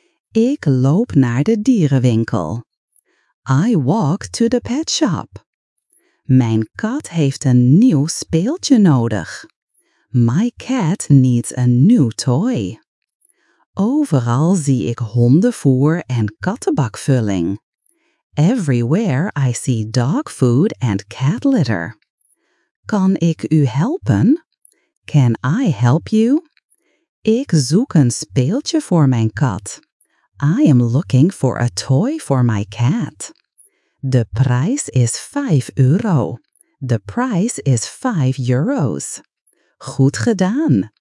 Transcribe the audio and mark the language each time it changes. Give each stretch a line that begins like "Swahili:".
Dutch: Ik loop naar de dierenwinkel.
English: I walk to the pet shop.
Dutch: Mijn kat heeft een nieuw speeltje nodig.
English: My cat needs a new toy.
Dutch: Overal zie ik hondenvoer en kattenbakvulling.
English: Everywhere I see dog food and cat litter.
Dutch: Kan ik u helpen?
English: Can I help you?
Dutch: Ik zoek een speeltje voor mijn kat.
English: I am looking for a toy for my cat.
Dutch: De prijs is 5 euro.
English: The price is 5 euros.
Dutch: Goed gedaan.